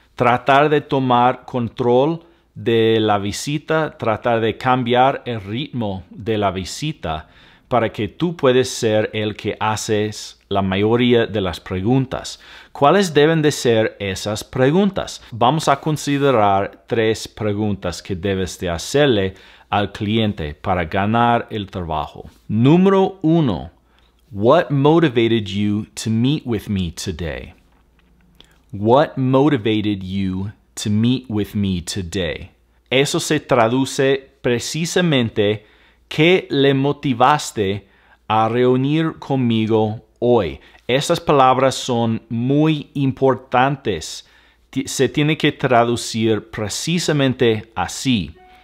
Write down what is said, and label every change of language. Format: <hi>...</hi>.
<es>Tratar de tomar control de la visita, tratar de cambiar el ritmo de la visita para que tú puedas ser el que haces la mayoría de las preguntas. ¿Cuáles deben de ser esas preguntas? Vamos a considerar tres preguntas que debes de hacerle al cliente para ganar el trabajo. Número uno,</es> <en>what motivated you to meet with me today? What motivated you to meet with me today?</en> <es>Eso se traduce precisamente, ¿qué le motivaste a reunir conmigo hoy? Esas palabras son muy importantes. Se tiene que traducir precisamente así.</es>